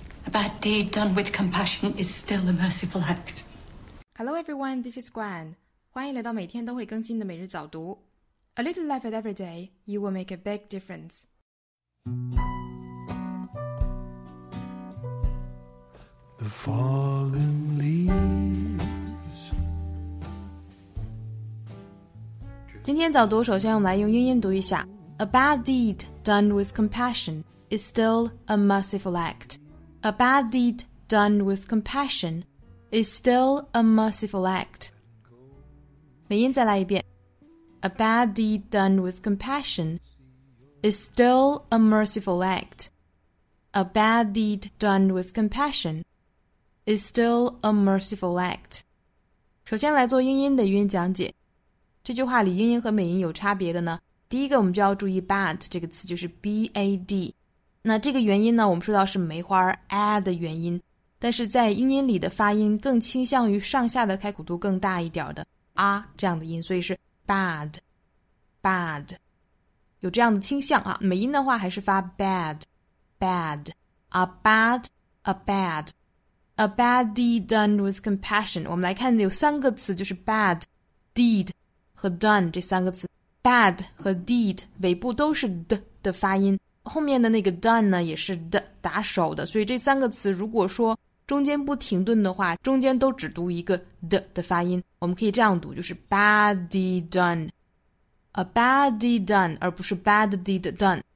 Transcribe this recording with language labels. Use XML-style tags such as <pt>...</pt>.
<en>bad deed done with compassion is still a merciful act. Hello everyone, this is Gwen.</en> <zh>欢迎来到每天都会更新的每日早读。</zh> <en>A little effort every day, you will make a big difference. The fallen leaves.</en> <zh>今天早读首先用来用英音读一下。</zh> <en>A bad deed done with compassion is still a merciful act. A bad deed done with compassion is still a merciful act.</en> <zh>美音再来一遍。</zh> <en>A bad deed done with compassion is still a merciful act. A bad deed done with compassion is still a merciful act.</en> <zh>首先来做英音的语音讲解。这句话里英音和美音有差别的呢。第一个我们就要注意 bad 这个词，就是 bad。那这个元音呢，我们说到是梅花 a 的元音，但是在英音里的发音更倾向于上下的开口度更大一点的 a 这样的音，所以是</zh> <en>bad bad，</en> <zh>有这样的倾向啊。美音的话还是发</zh> <en>bad bad， a bad a bad， a bad deed done with compassion。</en> <zh>我们来看有三个词，就是 bad deed 和 done 这三个词。 Bad 和 deed 尾部都是 d 的发音，后面的那个 done 呢也是 d 打手的，所以这三个词如果说中间不停顿的话，中间都只读一个 d 的发音，我们可以这样读，就是</zh> <en>bad deed done， a bad deed done，</en> <zh>而不是 bad deed done。</zh>